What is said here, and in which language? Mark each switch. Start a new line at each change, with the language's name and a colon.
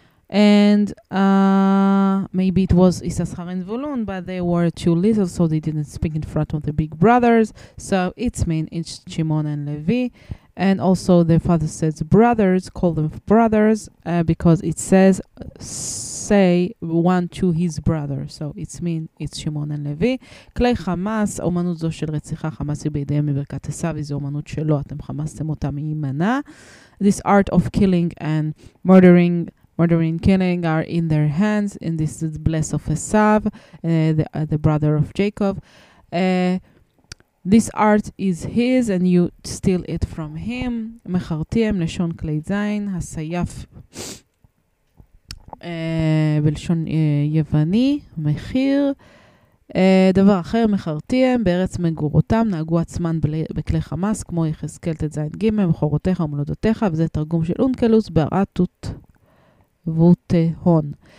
English: And maybe it was Issachar and Zvulun, but they were too little, so they didn't speak in front of the big brothers. So it's mean it's Shimon and Levi. And also the father says brothers, call them brothers, because it says say one to his brother. So it's mean it's Shimon and Levi.
Hebrew: Klei Hamas, אומנות זו של רציחה, Hamas היא בידיהם מברכת הסבי, זו אומנות שלו, אתם חמסתם אותה מימנה.
English: This art of killing and murdering, murdering and killing are in their hands, and this is the bless of Esav, the brother of Jacob. This art is his, and you steal it from him.
Hebrew: מחרתיהם, לשון כלי זין, הסייף, בלשון יווני, מחיר. דבר אחר, מחרתיהם, בארץ מגורותם, נהגו עצמן בכלי חמאס, כמו יחזקאל ט"ז ג', מחורותיך ומולדותיך, וזה תרגום של אונקלוס, בארטות ותהון.